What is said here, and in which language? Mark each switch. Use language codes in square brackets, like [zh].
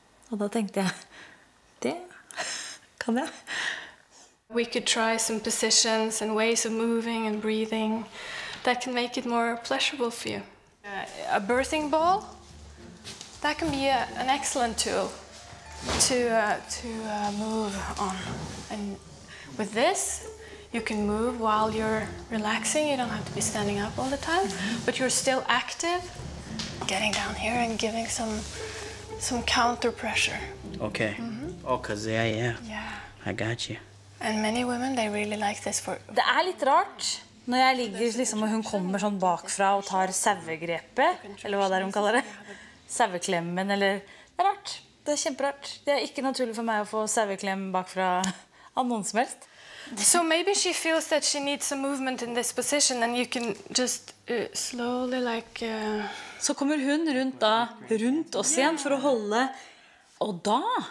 [no] Og da tenkte jeg, det kan jeg. [en] We could try some positions and ways of moving and breathing that can make it more pleasurable for you. A birthing ball, that can be an excellent tool to move on. And with this, you can move while you're relaxing. You don't have to be standing up all the time, mm-hmm. but you're still active, getting down here and giving some counter pressure. Okay. Mm-hmm. Oh, 'cause yeah, yeah. Yeah. I got you. And many women, they really like this for... [no] Det er litt rart når jeg ligger liksom, og hun kommer sånn bakfra og tar sauegrepet, eller hva det er hun kaller det, saueklemmen, eller... Det er rart. Det er kjemperart. Det er ikke naturlig for meg å få saueklem bakfra av noen som helst. [en] So maybe she feels that she needs some movement in this position, and you can just slowly like... [no] Så kommer hun rundt da, rundt oss igjen for å holde, og da...